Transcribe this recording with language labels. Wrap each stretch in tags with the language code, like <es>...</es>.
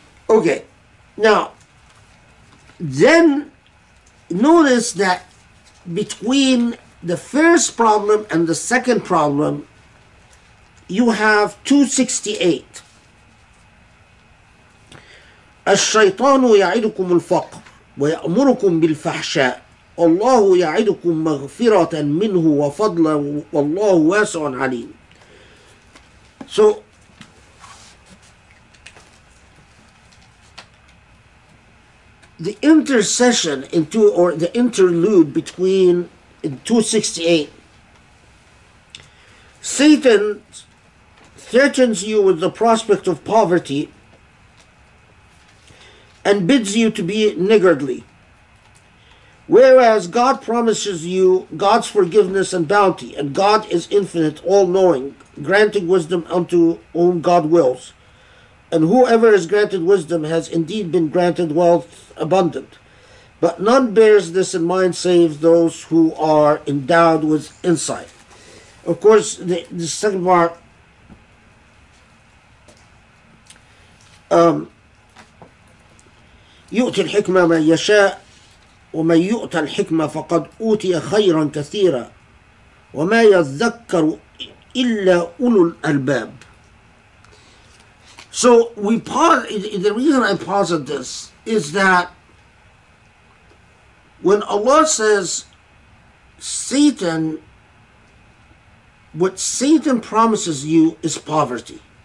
<en>Okay, now, then notice that between the first problem and the second problem, you have 268.</en> <ar>الشيطان يعدكم الفقر ويأمركم بالفحشاء الله يعدكم مغفرة منه وفضلا والله واسع عليم.</ar> <en>So the intercession the interlude between in 268, Satan threatens you with the prospect of poverty and bids you to be niggardly. Whereas God promises you God's forgiveness and bounty, and God is infinite, all-knowing, granting wisdom unto whom God wills. And whoever is granted wisdom has indeed been granted wealth abundant. But none bears this in mind save those who are endowed with insight. Of course, the second part,</en> <ar>يؤتي الحكمة من يشاء ومن يؤتى الحكمة فقد أوتي خيرا كثيرا وما يذكر إلا أولو الألباب.</ar> <en>So we pause, the reason I paused this is that when Allah says Satan, what Satan promises you is poverty.</en>